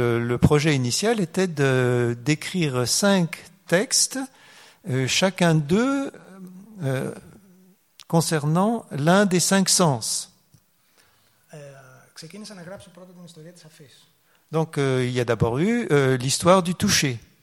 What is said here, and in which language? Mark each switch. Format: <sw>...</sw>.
<fr>Le projet initial était d'écrire cinq textes, chacun d'eux concernant l'un des cinq sens.</fr> <el>Ξεκίνησα να γράψω πρώτα την ιστορία της αφής.</el> <fr>Donc il y a d'abord eu l'histoire du toucher.</fr>